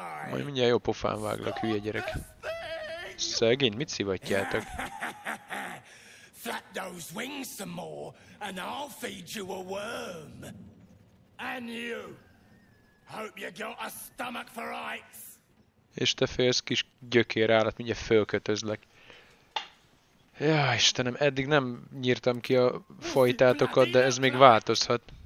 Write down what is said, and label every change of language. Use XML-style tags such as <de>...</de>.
<hu>Majd mindjárt jó pofán váglak, hülye gyerek. Szegény, mit szivatjátok?</hu> <en>Flap those wings some more, and I'll feed you a worm. And you. Hope you got a stomach for rights.</en> <hu>És te félsz, kis gyökér állat, mindjárt fölkötözlek. Ja, Istenem, eddig nem nyírtam ki a fajtátokat, de ez még változhat.</hu>